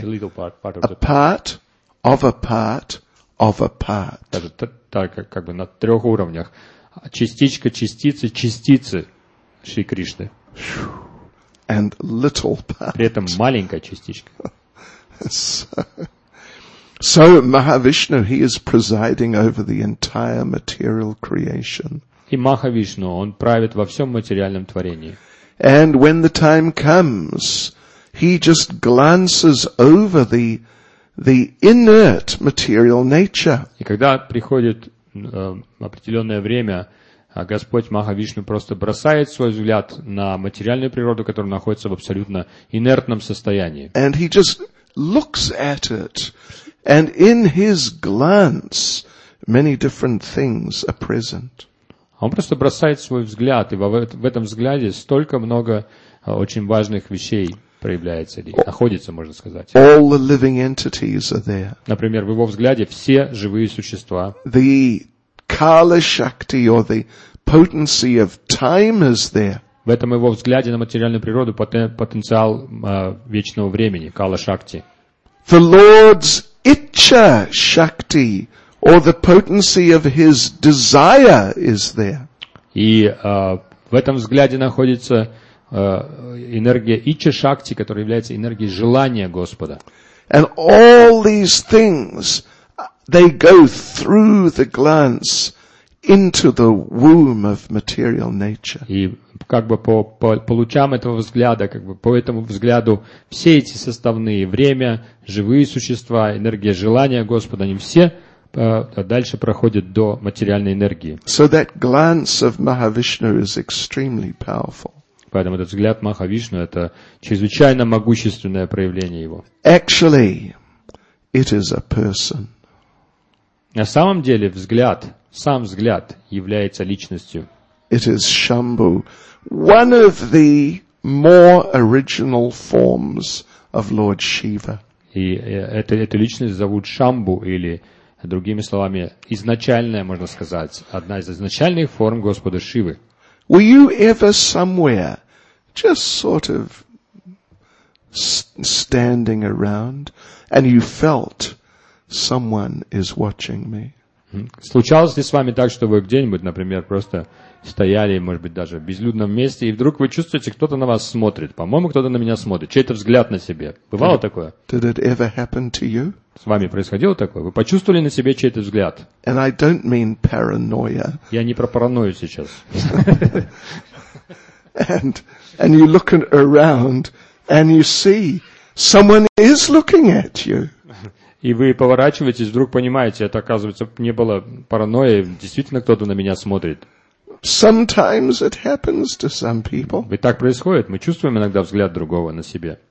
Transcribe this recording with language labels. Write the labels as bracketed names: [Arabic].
[English] A little part, part of a part of a part of a part. [Russian] Даже так как бы на трех уровнях. Частичка частицы частицы Шри Кришны. [English] And little part. [Russian] При этом маленькая частичка. [English] So Mahavishnu, he is presiding over the entire material creation. [Russian] И Махавишну, он правит во всем материальном творении. [English] And when the time comes, he just glances over the inert material nature. [Russian] И когда приходит определенное время, Господь Махавишну просто бросает свой взгляд на материальную природу, которая находится в абсолютно инертном состоянии. [English] And he just looks at it, and in his glance, many different things are present. [Russian] Он просто бросает свой взгляд, и в этом взгляде столько много очень важных вещей проявляется, или находится, можно сказать. [English] All the living entities are there. [Russian] Например, в его взгляде все живые существа. [English] The Kala Shakti, or the potency of time, is there. [Russian] В этом его взгляде на материальную природу потенциал вечного времени, Кала Шакти. [English] The Lord's Ichcha Shakti, or the potency of his desire, is there. [Russian] И в этом взгляде находится энергия Ichcha Shakti, которая является энергией желания Господа. [English] And all these things, they go through the glance into the womb of material nature. [Russian] И как бы по лучам этого взгляда, как бы по этому взгляду, все эти составные, время, живые существа, энергия желания Господа, они все дальше проходят до материальной энергии. [English] So that glance of Mahavishnu is extremely powerful. [Russian] Поэтому этот взгляд Махавишну – это чрезвычайно могущественное проявление его. [English] Actually, it is a person. [Russian] На самом деле взгляд, сам взгляд является личностью. [English] It is Shambhu, one of the more original forms of Lord Shiva. [Russian] И эту личность зовут Шамбу, или, другими словами, изначальная, можно сказать, одна из изначальных форм Господа Шивы. [English] Were you ever somewhere just sort of standing around and you felt someone is watching me? [Russian] Случалось ли с вами так, что вы где-нибудь, например, просто стояли, может быть, даже в безлюдном месте, и вдруг вы чувствуете, кто-то на вас смотрит. По-моему, кто-то на меня смотрит. Чей-то взгляд на себе. Бывало такое? [English] Did it ever happen to you? [Russian] С вами происходило такое? Вы почувствовали на себе чей-то взгляд? [English] And I don't mean paranoia. [Russian] Я не про паранойю сейчас. [English] And you look around, and you see someone is looking at you. [Russian] И вы поворачиваетесь, вдруг понимаете, это, оказывается, не было паранойи, действительно кто-то на меня смотрит. [English] Sometimes it happens to some people. [Russian] И так происходит, мы чувствуем иногда взгляд другого на себе.